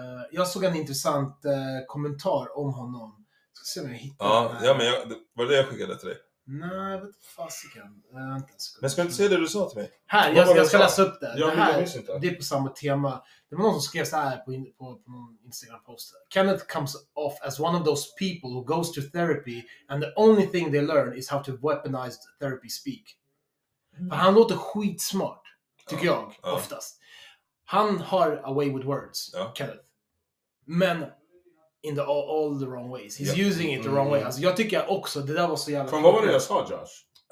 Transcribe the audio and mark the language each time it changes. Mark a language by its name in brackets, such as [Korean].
[Swedish] Jag såg en intressant kommentar om honom. Ska se om jag hittar den. Ja, men var det jag skickade till dig? Nej, vet fasiken. Men ska inte se det du sa till mig? Här, jag ska läsa upp det. Ja, det, här, det är på samma tema. Det var någon som skrev så här på någon Instagram-post. [English] Kenneth comes off as one of those people who goes to therapy and the only thing they learn is how to weaponize therapy speak. Mm. [Swedish] För han låter skitsmart, tycker jag, oftast. Han har [English] a way with words, Kenneth. [Swedish] Men... [English] in the all the wrong ways. He's using it the wrong way. [Swedish] Alltså, jag tycker också, det där var så jävla... Från vad var det jag sa, Josh?